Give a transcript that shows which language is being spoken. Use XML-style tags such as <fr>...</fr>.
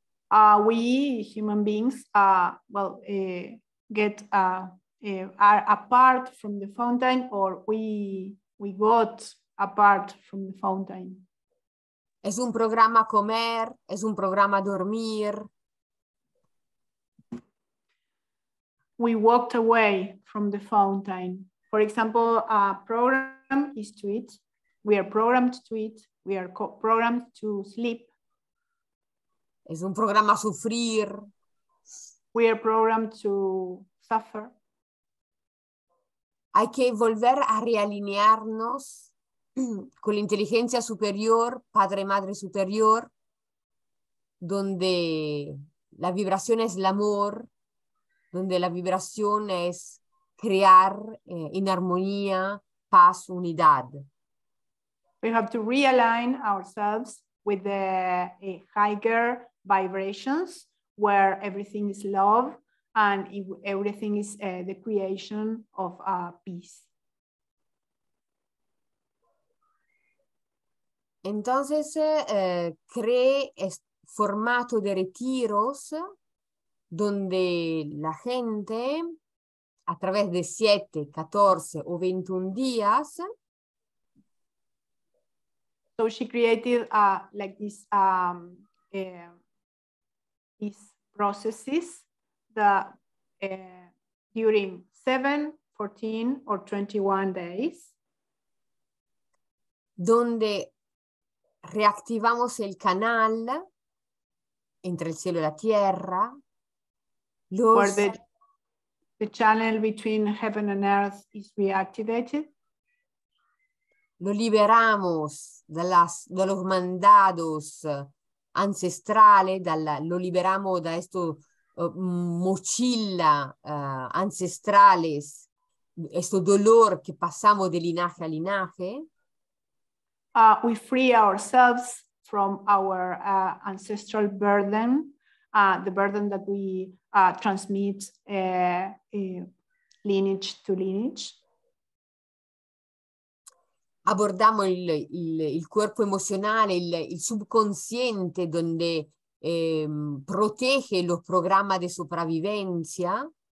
<en>We human beings are apart from the fountain, or we got apart from the fountain.</en> <es>Es un programa comer, es un programa dormir.</es> <en>We walked away from the fountain. For example, a program is to eat. We are programmed to eat. We are programmed to sleep.</en> <es>Es un programa sufrir.</es> <en>We are programmed to suffer.</en> <es>Hay que volver a realinearnos con la inteligencia superior, padre, madre superior, donde la vibración es el amor, donde la vibración es crear en armonía, paz, unidad.</es> <en>We have to realign ourselves with the higher vibrations where everything is love and everything is the creation of peace.</en> <es>Entonces, creé este formato de retiros donde la gente, a través de 7, 14 o 21 días.</es> <en>So she created like this, these processes that during 7, 14 or 21 days.</en> <es>Donde reactivamos el canal entre el cielo y la tierra.</es> <en>Where the channel between heaven and earth is reactivated.</en> <es>Lo liberamos de los mandados ancestrales, lo liberamos de estos mochila ancestrales, este dolor que pasamos de linaje a linaje.</es> <en>We free ourselves from our ancestral burden, the burden that we transmit lineage to lineage. Abordiamo il cuerpo emozionale, il subconsciente, donde protege lo programma di sopravvivenza.</en>